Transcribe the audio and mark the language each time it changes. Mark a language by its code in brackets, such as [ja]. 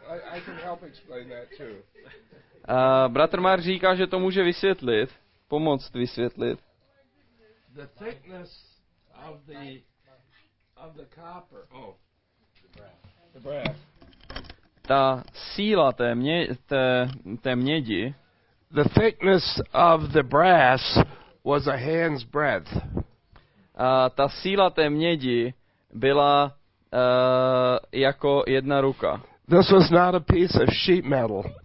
[en] I can help explain that too. [cs] Bratr Mark říká, že to může vysvětlit, pomoct vysvětlit. [en] The thickness of the copper. Oh, the brass. [cs] Ta síla té mědi. [en] The thickness of the brass was a hand's breadth. [cs] Ta síla té mědi byla jako jedna ruka. [en] This was not a piece of sheet metal.